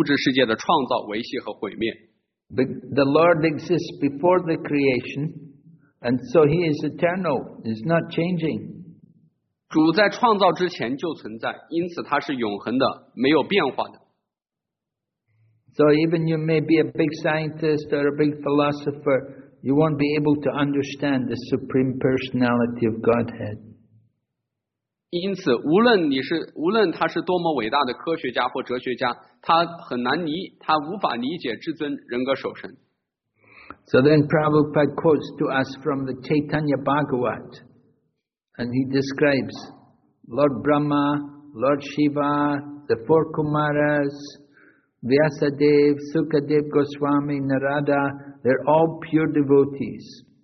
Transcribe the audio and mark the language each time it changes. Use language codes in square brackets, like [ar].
[zh] 没有至尊主的瞥视，不可能有物质世界的创造、维系和毁灭。 [en] But the Lord exists before the creation, and so He is eternal, is not changing. [zh] 主在创造之前就存在，因此他是永恒的，没有变化的。 [en] So even you may be a big scientist or a big philosopher, you won't be able to understand the Supreme Personality of Godhead. [zh] 因此，无论他是多么伟大的科学家或哲学家，他无法理解至尊人格守神。 [en] So then Prabhupada quotes to us from the Chaitanya Bhagavat, and he describes Lord Brahma, Lord Shiva, the four Kumaras, Vyasadev, Sukadev Goswami, Narada, they're all pure devotees.